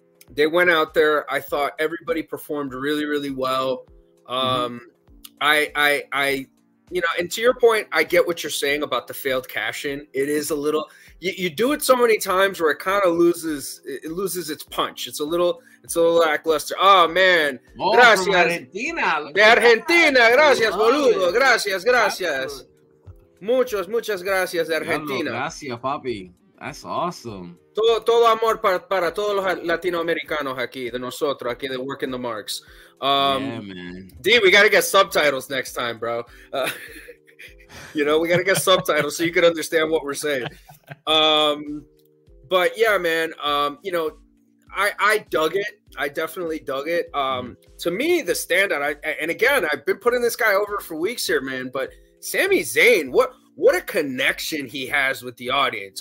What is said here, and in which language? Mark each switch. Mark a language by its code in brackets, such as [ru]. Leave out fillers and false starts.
[en] They went out there. I thought everybody performed really, really well. And to your point, I get what you're saying about the failed cash-in. It is a little... You do it so many times where it kind of loses its punch. It's a little lackluster. Oh man, [es] oh, gracias, Argentina, de Argentina, gracias, boludo, gracias, gracias, muchas gracias, de Argentina. Gracias, papi. [en] That's awesome. [es] Todo amor para todos los latinoamericanos aquí de nosotros aquí de working the marks. [en] Yeah, man. D, we gotta get subtitles next time, bro. You know, we gotta get subtitles so you can understand what we're saying. But yeah, man, you know, I dug it. I definitely dug it. To me, the standout, I've been putting this guy over for weeks here, man, but Sami Zayn, what a connection he has with the audience.